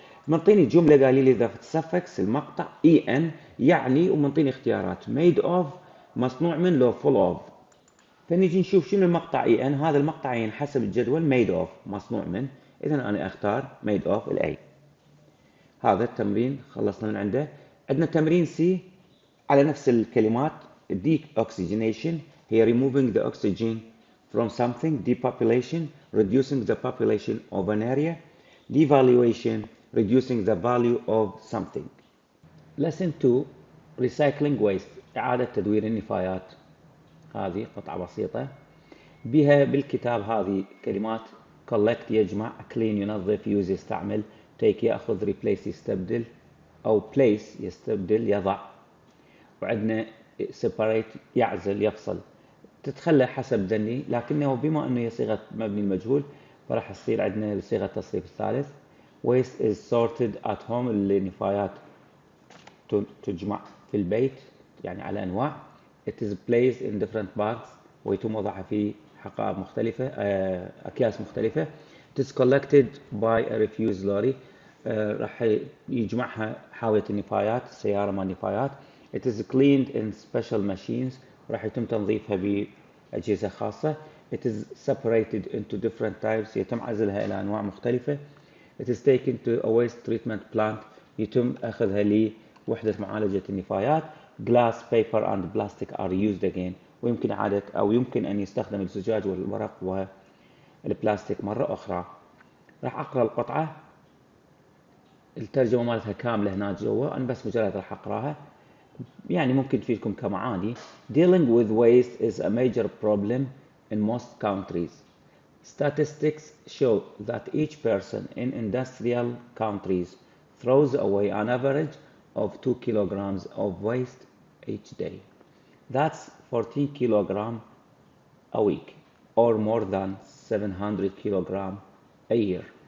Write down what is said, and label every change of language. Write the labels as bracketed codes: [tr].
[ar] منطيني جملة قالي لي the suffix المقطع en يعني، ومنطيني اختيارات made of مصنوع من لو full of. فنيجي نشوف شنو المقطع en. هذا المقطع en حسب الجدول made of مصنوع من، اذا انا اختار made of الاي. هذا التمرين خلصنا من عنده. عندنا تمرين سي على نفس الكلمات deoxygenation هي [en] removing the oxygen from something، [ar] depopulation [en] reducing the population of an area، [ar] devaluation [en] reducing the value of something. Lesson 2 recycling waste [ar] إعادة تدوير النفايات. هذه قطعة بسيطة بها بالكتاب هذه كلمات collect يجمع، clean ينظف، use يستعمل، take يأخذ، replace يستبدل، أو place يستبدل يضع، وعندنا separate يعزل يفصل، تتخلى حسب ذني. لكنه بما أنه هي صيغة مبني المجهول فرح يصير عندنا صيغة التصريف الثالث. [en] Waste is sorted at home [ar] النفايات تجمع في البيت يعني على أنواع. [en] It is placed in different bags [ar] ويتم وضعها في حقائب مختلفة أكياس مختلفة. [en] It is collected by a refuse lorry [ar] راح يجمعها حاوية النفايات سيارة مع النفايات. [en] It is cleaned in special machines [ar] راح يتم تنظيفها بأجهزة خاصة. [en] It is separated into different types [ar] يتم عزلها إلى أنواع مختلفة. [en] It is taken to a waste treatment plant [ar] يتم أخذها لوحدة معالجة النفايات. [en] Glass, paper and plastic are used again [ar] ويمكن إعادة أو يمكن أن يستخدم الزجاج والورق والبلاستيك مرة أخرى. راح أقرأ القطعة الترجمة مالتها كاملة هنا جوا، أنا بس مجرد راح أقرأها يعني ممكن تفيدكم كمعاني. [en] Dealing with waste is a major problem in most countries. Statistics show that each person in industrial countries throws away an average of 2 kilograms of waste each day. That's 14 kilograms a week, or more than 700 kilograms a year.